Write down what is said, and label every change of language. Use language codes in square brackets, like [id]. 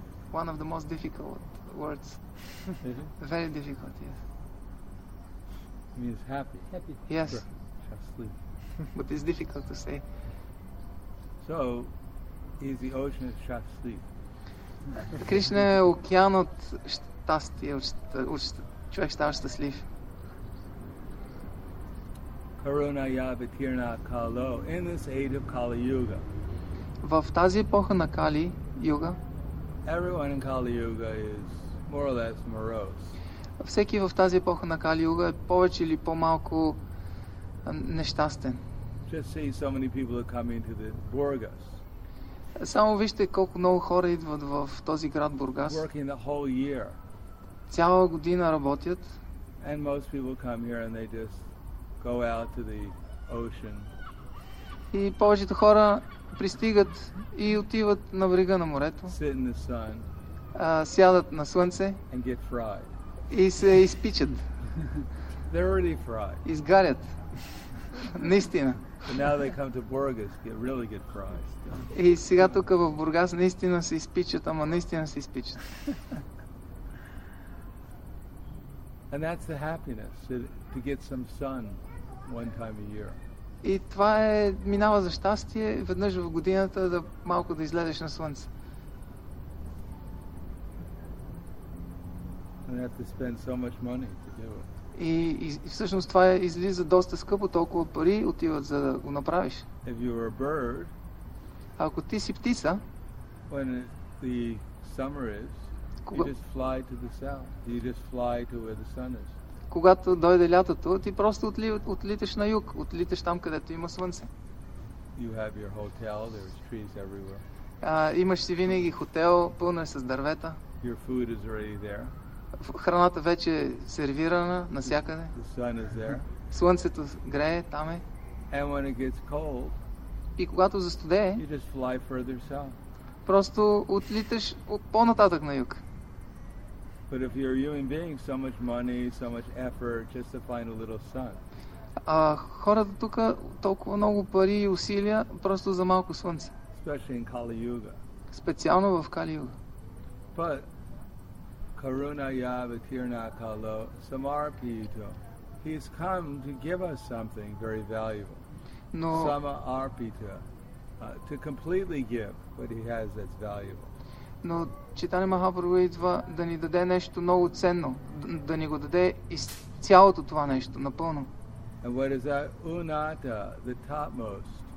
[en] One of the most difficult words. Very difficult, yes. It means happy. Yes. [bg] Щастлив. [en] But it's difficult to say. So, is the ocean of щастлив. [bg] Кришна е океан от щастие, човек става щастлив. [en] Karuna Yavitirna Kalo, in this age of Kali Yuga. [bg] В тази епоха на Кали Юга. [en] Everyone in Kali Yuga is more or less morose. [bg] Всеки в тази епоха на Кали Юга е повече или по-малко нещастен. [en] Just see so many people are coming to the Burgas. [bg] Само вижте колко много хора идват в този град Бургас. [en] Working the whole year. [bg] Цяла година работят. [en] And most people come here and they just go out to the ocean. [bg] И повечето хора пристигат и отиват на брега на морето. [en] Sit in the sun. [bg] Сядат на слънце. [en] And get fried. [bg] И се изпичат. [en] They're already fried. [bg] Изгарят. Наистина. [en] And now they come to Burgas, get really good fries. [bg] И сега тук в Бургас наистина се изпичат, ама наистина се изпичат. [en] And that's the happiness, to get some sun one time a year. [bg] И това е минава за щастие веднъж в годината да малко да излезеш на слънце. [en] And have to spend so much money to do it. [bg] И всъщност това излиза доста скъпо, толкова пари отиват за да го направиш. [en] If you are a bird, [bg] ако ти си птица, [en] when the summer is, you just fly to the south. You just fly to where the sun is. [bg] Когато дойде лятото, ти просто отлиташ на юг, отлиташ там, където има слънце. [en] You have your hotel, there's trees everywhere. [bg] Имаш си винаги хотел, пълно е с дървета. [en] Your food is already there. [bg] Храната вече е сервирана навсякъде. [en] The sun is there. [bg] Слънцето грее там е. [en] And when it gets cold, [bg] и когато застудее, [en] you just fly further south. [bg] Просто отлиташ по-нататък на юг. [en] But if you're a human being, so much money, so much effort, just to find a little sun. [bg] Хората тук толкова много пари и усилия, просто за малко слънце. [en] Especially in Kali Yuga. [bg] Специално в Кали Юга. [en] But Karuna Yavitirna Kalo Samarpito. He's come to give us something very valuable. No. Samarpita. To completely give what he has that's valuable. [bg] Но Чайтанья Махапрабху идва да ни даде нещо много ценно, да ни го даде из цялото това нещо, напълно. [en] And what is that unata, the topmost?